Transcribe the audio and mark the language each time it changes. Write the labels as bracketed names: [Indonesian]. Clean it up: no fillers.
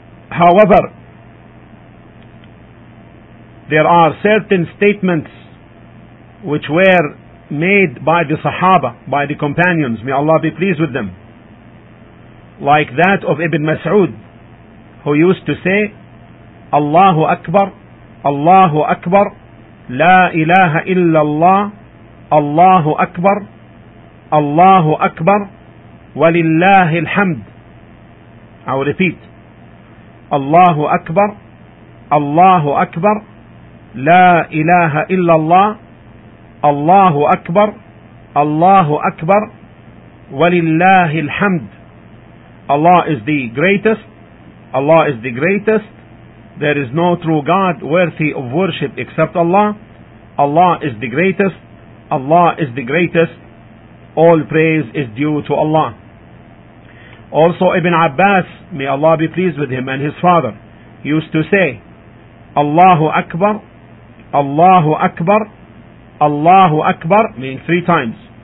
[English] However, there are certain statements which were made by the Sahaba, by the companions, may Allah be pleased with them, like that of Ibn Mas'ud, who used to say, Allahu Akbar, Allahu Akbar, La ilaha illallah, Allahu Akbar, Allahu Akbar, [Arabic] ولله الحمد. [English] I'll repeat. [Arabic] الله أكبر الله أكبر لا إله إلا الله الله أكبر الله أكبر ولله الحمد. [English] Allah is the greatest. Allah is the greatest. There is no true God worthy of worship except Allah. Allah is the greatest. Allah is the greatest. All praise is due to Allah. Also Ibn Abbas, may Allah be pleased with him and his father, used to say, Allahu Akbar, Allahu Akbar, Allahu Akbar, meaning 3 times.